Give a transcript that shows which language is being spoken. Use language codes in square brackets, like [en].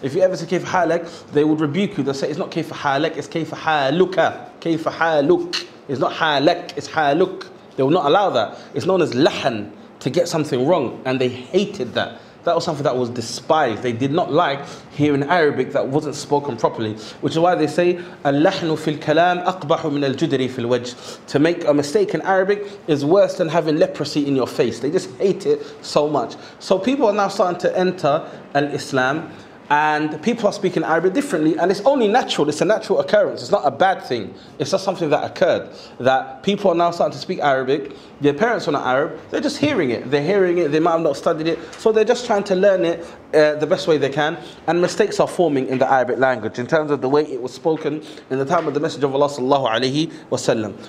[en] If you ever say [ar] kayfa halak, [en] they would rebuke you. They'll say it's not kayfa halak, it's [ar] kayfa haluka. Kayfa haluk. [en] It's not halak, it's haluk. They will not allow that. It's known as lahan, to get something wrong. And they hated that. That was something that was despised. They did not like hearing Arabic that wasn't spoken properly. [ar] Which is why they say, اللحن في الكلام أقبح من الجدري في الوجه. [en] To make a mistake in Arabic is worse than having leprosy in your face. They just hate it so much. So people are now starting to enter al-Islam. and people are speaking Arabic differently, and it's only natural, it's a natural occurrence, it's not a bad thing, it's just something that occurred, that people are now starting to speak Arabic, their parents are not Arab, they're just hearing it, they might have not studied it, so they're just trying to learn it the best way they can, and mistakes are forming in the Arabic language, in terms of the way it was spoken in the time of the Messenger of Allah sallallahu alayhi wasallam.